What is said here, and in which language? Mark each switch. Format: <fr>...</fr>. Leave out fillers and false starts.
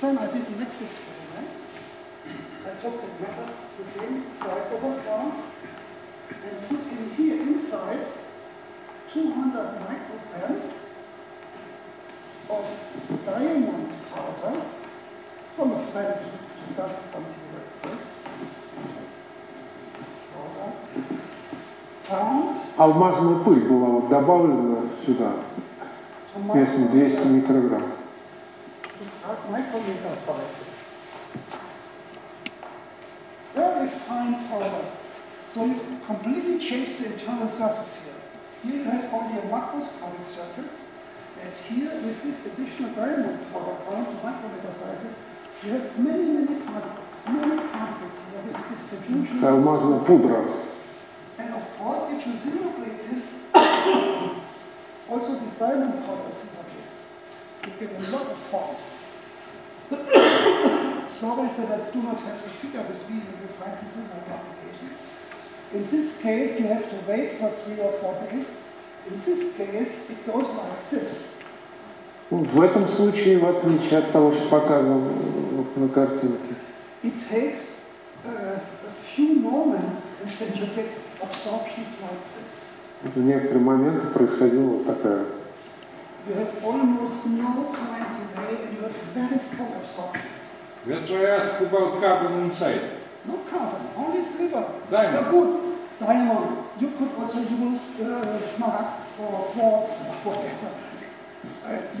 <en>Then I did the next experiment. I took the measure, the same size of a flux, and put in here inside 200 microgram of diamond powder from a friend who does something like this. Powder.</en> <ru>Алмазная пыль была добавлена сюда. Весом 200 микрограмм.</ru> <en>Micrometer sizes. Very fine powder. So you completely change the internal surface here. Here you have only a macroscopic surface, and here with this additional diamond powder down to micrometer sizes, you have many, many particles. Many particles here with distribution.</en> <ru>Алмазная пудра.</ru> <en>And of course, if you simulate this, also this diamond powder is up here. You get a lot of forms. Sorry that I do not have the figure with me when you find this in my publication. In this case, you have to wait for 3 or 4 days. In this case, it goes like this.</en> <ru>В этом случае, в отличие от того, что показано на картинке.</ru> <en>It takes a few moments and then you get absorptions like this.</en> <ru>В некоторые моменты происходило вот такое.</ru> <en>You have almost no time delay and you have very strong absorptions. That's why I asked about carbon inside. No carbon, only silver. Diamond. You're good. Diamond. You could also use smart or quartz or whatever.</en>